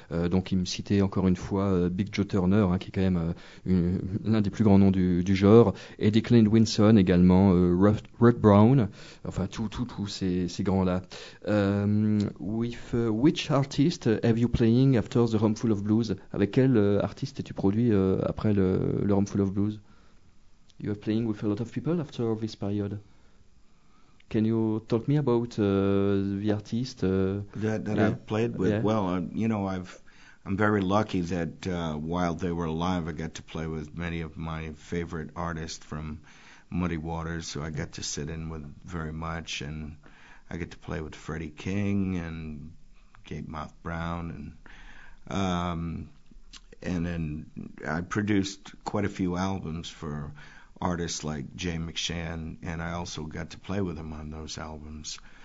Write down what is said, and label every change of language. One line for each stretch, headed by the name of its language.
French: Donc il me citait encore une fois Big Joe Turner, hein, qui est quand même l'un des plus grands noms du genre. Eddie Clint Winson également, Red Brown, enfin tous ces grands-là.
English: With which artist have you playing after the Roomful of Blues?
French: Avec quel artiste es-tu produit après le Roomful of Blues?
English: You are playing with a lot of people after this period. Can you talk me about the artist that yeah? I've played with? Yeah. Well, you know, I'm very lucky that while they were alive, I got to play with many of my favorite artists from Muddy Waters, who I got to sit in with very much, and I get to play with Freddie King and Gabe Moth Brown and then I produced quite a few albums for artists like Jay McShann, and I also got to play with him on those albums.